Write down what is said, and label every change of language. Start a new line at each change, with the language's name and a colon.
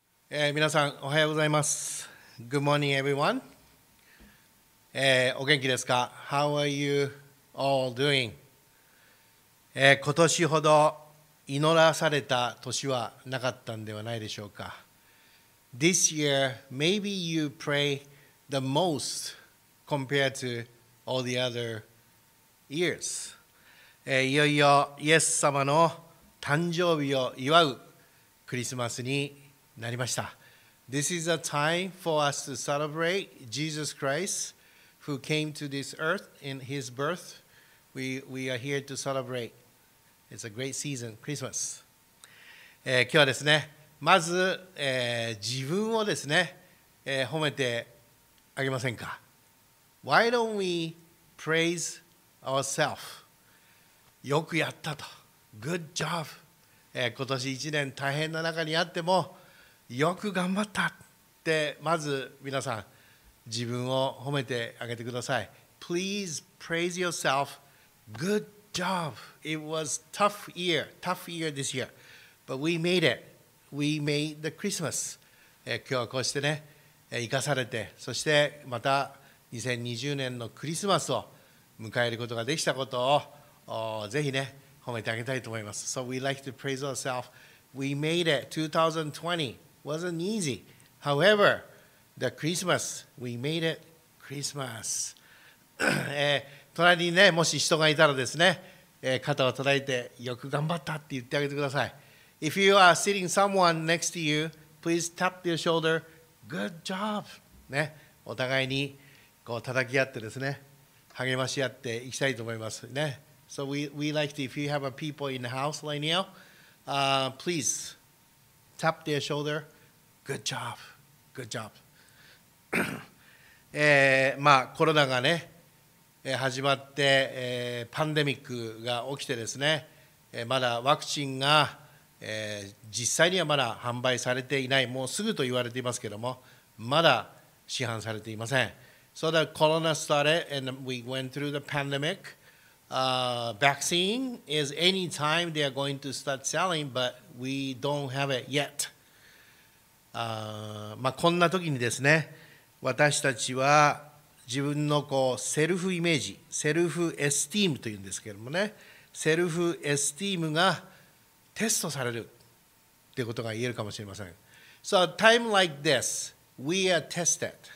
Japanese: 皆さんおはようございます。
English: Good morning, everyone.
Japanese: お元気ですか?
English: How are you all doing?
Japanese: 今年ほど祈らされた年はなかったんではないでしょうか?
English: This year, maybe you pray the most compared to all the other years.
Japanese: いよいよイエス様の誕生日を祝うクリスマスになりました。
English: This is a time for us to celebrate Jesus Christ who came to this earth in his birth. We are here to celebrate. It's a great season, Christmas.
Japanese: 今日はですね、まず、自分をですね、褒めてあげませんか。
English: Why don't we praise ourselves?
Japanese: よくやったと。
English: Good job!、
Japanese: 今年一年大変な中にあっても、よく頑張ったってまず皆さん自分を褒めてあげてください。
English: Please praise yourself. Good job. It was tough year this year, but we made it. We made the Christmas.
Japanese: 今日はこうしてね、生かされて、そしてまた2020年のクリスマスを迎えることができたことをぜひね褒めてあげたいと思います。
English: So we like to praise ourselves. We made it 2020. Wasn't easy. However, the Christmas, we made it Christmas.
Japanese: 隣にね、もし人がいたらですね、肩を叩いてよく頑張ったって言ってあげてください。
English: If you are sitting someone next to you, please tap their shoulder. Good job.
Japanese: ね、お互いにこう叩き合ってですね、励まし合っていきたいと思いますね。
English: So we like to, if you have a people in the house right now, please. Tap their shoulder. Good job. Good job.
Japanese: まあコロナがね、始まって、パンデミックが起きてですね、まだワクチンが、実際にはまだ販売されていない。もうすぐと言われていますけども、まだ市販されていません。
English: So the corona started and we went through the pandemic. Vaccine is anytime they are going to start selling, butWe don't have it yet.
Japanese: まあこんな時にですね、私たちは自分のこうセルフイメージ、セルフエスティームというんですけれどもね、セルフエスティームがテストされるっていうことが言えるかもしれません。
English: So a time like this, we are tested.